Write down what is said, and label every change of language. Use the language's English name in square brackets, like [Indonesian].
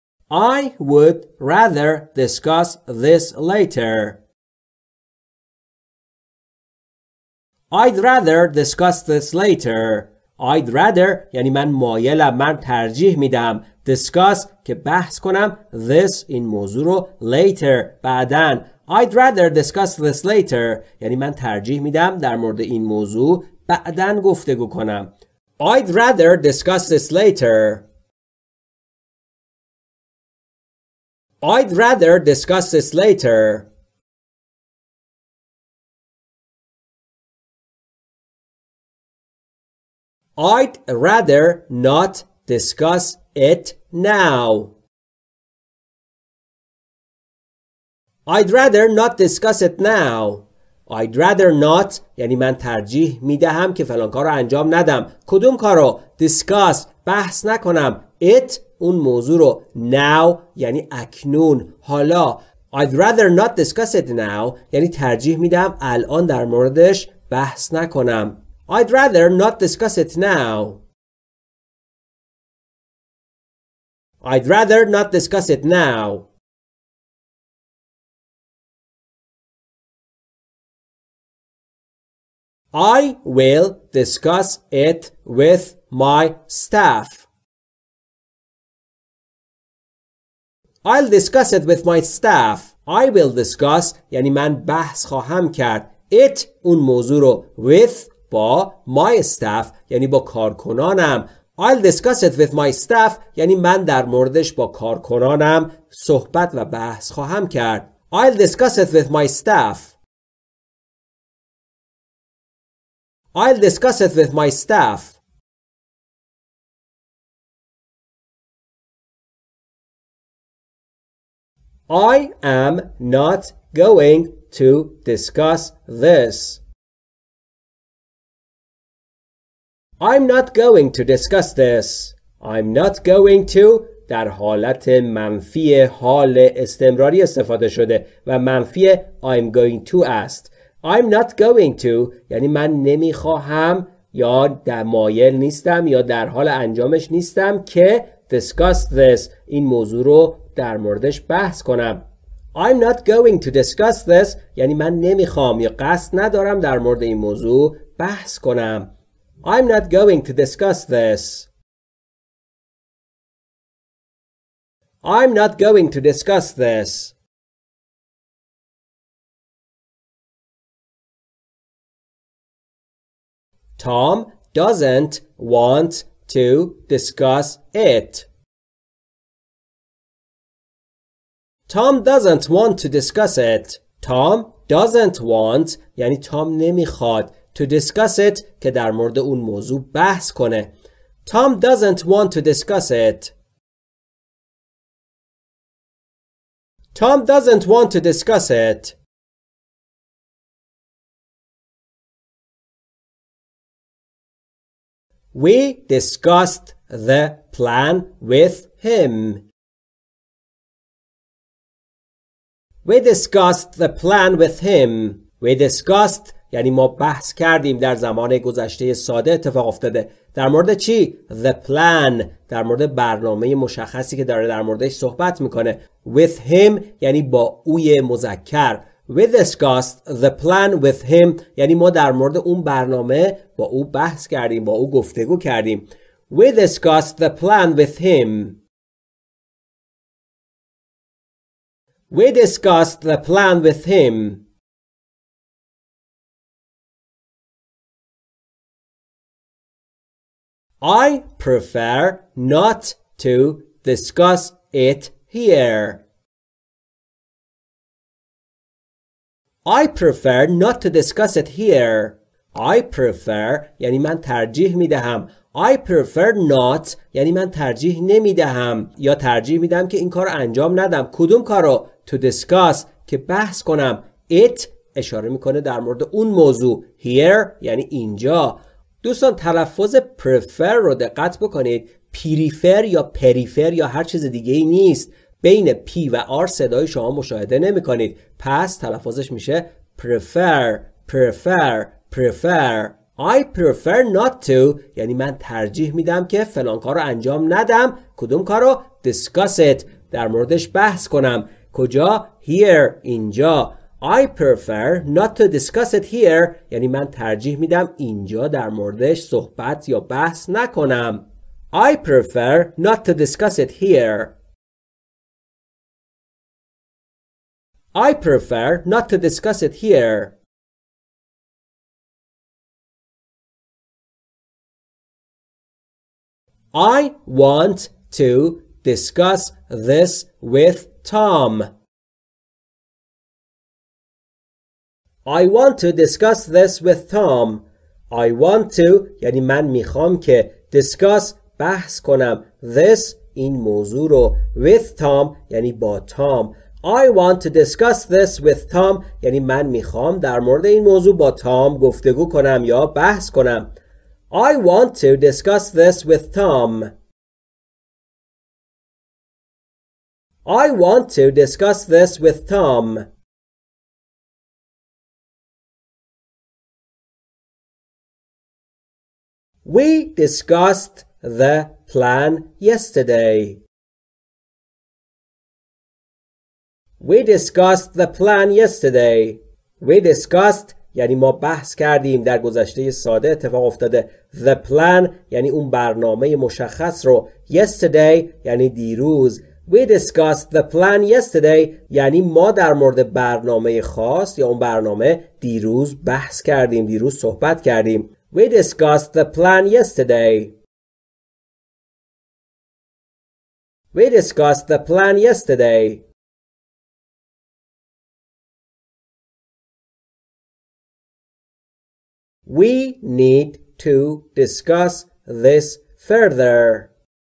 [English] I would rather discuss this later. I'd rather discuss this later. I'd rather [Persian] یعنی من مایلم، من ترجیح میدم. Discuss که بحث کنم. This این موضوع رو later بعدن. [English] I'd rather discuss this later. [Persian] یعنی من ترجیح میدم در مورد این موضوع بعدن گفتگو کنم. [English] I'd rather discuss this later. I'd rather discuss this later. I'd rather not discuss it now. I'd rather not discuss it now. I'd rather not [Persian] یعنی من ترجیح میدهم که فلان کارو انجام ندم. کدوم کارو؟ Discuss بحث نکنم. It اون موضوع رو. Now یعنی اکنون، حالا. [English] I'd rather not discuss it now [Persian] یعنی ترجیح میدم الان در موردش بحث نکنم. [English] I'd rather not discuss it now. I'd rather not discuss it now. I will discuss it with my staff. I'll discuss it with my staff. I will discuss [Persian] یعنی من بحث خواهم کرد. It اون موضوع رو. With با [English] my staff [Persian] یعنی با کارکنانم. [English] I'll discuss it with my staff [Persian] یعنی من در موردش با کارکنانم صحبت و بحث خواهم کرد. [English] I'll discuss it with my staff. I'll discuss it with my staff. I am not going to discuss this. I'm not going to discuss this. I'm not going to [Persian] در حالت منفی حال استمراری استفاده شده و منفی [English] I'm going to [Persian] است. [English] I'm not going to [Persian] یعنی من نمیخواهم یا در مایل نیستم یا در حال انجامش نیستم که [English] discuss this [Persian] این موضوع رو در موردش بحث کنم. [English] I'm not going to discuss this [Persian] یعنی من نمیخوام یا قصد ندارم در مورد این موضوع بحث کنم. [English] I'm not going to discuss this. I'm not going to discuss this. Tom doesn't want to discuss it. Tom doesn't want to discuss it. Tom doesn't want, [Persian] یعنی Tom نمیخواد, [English] to discuss it [Persian] که در مورد اون موضوع بحث کنه. [English] Tom doesn't want to discuss it. Tom doesn't want to discuss it. We discussed the plan with him. We discussed the plan with him. We discussed [Persian] یعنی ما بحث کردیم در زمان گذشته ساده اتفاق افتاده. در مورد چی؟ [English] The plan [Persian] در مورد برنامه مشخصی که داره در موردش صحبت میکنه. [English] With him [Persian] یعنی با اوی مذکر. [English] We discussed the plan with him [Persian] یعنی ما در مورد اون برنامه با او بحث کردیم، با او گفتگو کردیم. [English] We discussed the plan with him. We discussed the plan with him. I prefer not to discuss it here. I prefer not to discuss it here. I prefer [Persian] یعنی من ترجیح میدهم. [English] I prefer not [Persian] یعنی من ترجیح نمیدهم یا ترجیح میدم که این کارو انجام ندم. کدوم کارو؟ [English] To discuss [Persian] که بحث کنم. It اشاره میکنه در مورد اون موضوع. Here یعنی اینجا. دوستان تلفظ prefer رو دقت بکنید. Prefer یا prefer یا هر چیز دیگه ای نیست. بین P و R صدای شما مشاهده نمی کنید. پس تلفظش میشه prefer, prefer, prefer. [English] I prefer not to [Persian] یعنی من ترجیح میدم که فلان کارو انجام ندم. کدوم کارو؟ [English] Discuss it. [Persian] در موردش بحث کنم. کجا؟ Here، اینجا. [English] I prefer not to discuss it here، [Persian] یعنی من ترجیح میدم اینجا در موردش صحبت یا بحث نکنم. [English] I prefer not to discuss it here. I prefer not to discuss it here. I want to discuss this with Tom. I want to discuss this with Tom. I want to, [Persian] یعنی من میخوام که discuss بحث کنم this این موضوع رو [English] with Tom [Persian] یعنی با Tom. [English] I want to discuss this with Tom [Persian] یعنی من میخوام در مورد این موضوع با Tom گفتگو کنم یا بحث کنم. [English] I want to discuss this with Tom. I want to discuss this with Tom. We discussed the plan yesterday. We discussed the plan yesterday. We discussed [Persian] یعنی ما بحث کردیم در گذشته ساده اتفاق افتاده. [English] The plan [Persian] یعنی اون برنامه مشخص رو. Yesterday یعنی دیروز. [English] We discussed the plan yesterday [Persian] یعنی ما در مورد برنامه خاص یا اون برنامه دیروز بحث کردیم، دیروز صحبت کردیم. [English] We discussed the plan yesterday. We discussed the plan yesterday. We need to discuss this further.